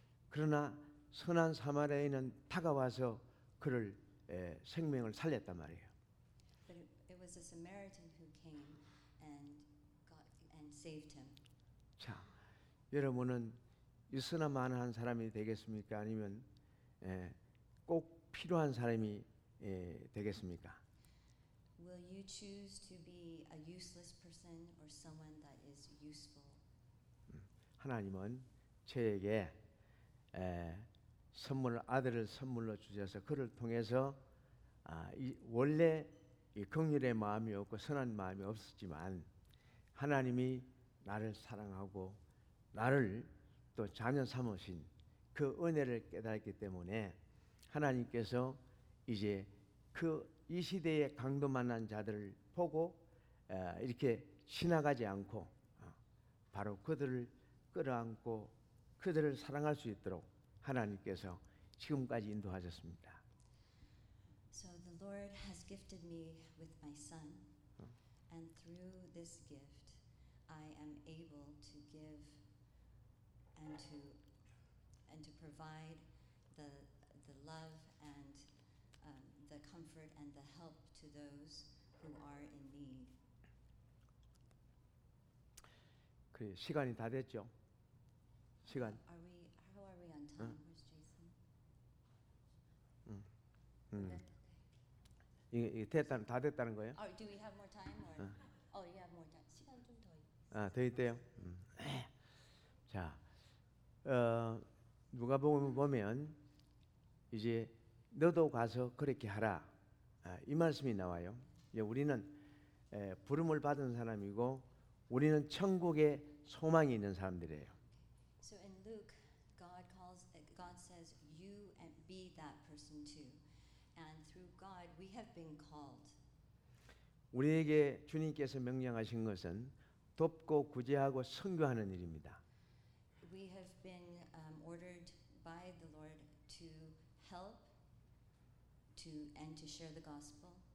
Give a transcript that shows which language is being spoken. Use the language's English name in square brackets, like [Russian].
[Korean] 그러나 선한 사마리아인은 다가와서 그를 생명을 살렸단 말이에요. [English] But it was a Samaritan who came and got and saved him. [Korean] 자, 여러분은 있으나 마나한 사람이 되겠습니까? 아니면 꼭 필요한 사람이 되겠습니까? [English] Will you choose to be a useless person or someone that is useful? [Korean] 하나님은 저에게 선물 아들을 선물로 주셔서 그를 통해서 원래 이 긍휼의 마음이 없고 선한 마음이 없었지만 하나님이 나를 사랑하고 나를 또 자녀 삼으신 그 은혜를 깨달았기 때문에 하나님께서 이제 그 이 시대에 강도 만난 자들을 보고 이렇게 지나가지 않고 바로 그들을 끌어안고 그들을 사랑할 수 있도록 하나님께서 지금까지 인도하셨습니다. [English] So the Lord has gifted me with my son, and through this gift, I am able to give and to provide the love and the comfort and the help to those who are in need. [Korean] 그래, 시간이 다 됐죠? 시간. [English] How are we on time? 응? Where's Jason? [Korean] 이게 됐다는 다 됐다는 거예요? [English] Oh, do we have more time or? 어. Oh, you have more time. [Korean] 시간 좀 더. 아, 더 있대요. 자, 누가 보면 이제 너도 가서 그렇게 하라. 이 말씀이 나와요. 이제 우리는 부름을 받은 사람이고 우리는 천국에 소망이 있는 사람들이에요. [English] So in Luke, God says, "You and be that person too." And through God, we have been called. [Korean] 우리에게 주님께서 명령하신 것은 돕고 구제하고 선교하는 일입니다. [English] We have been ordered by the Lord to help, and to share the gospel.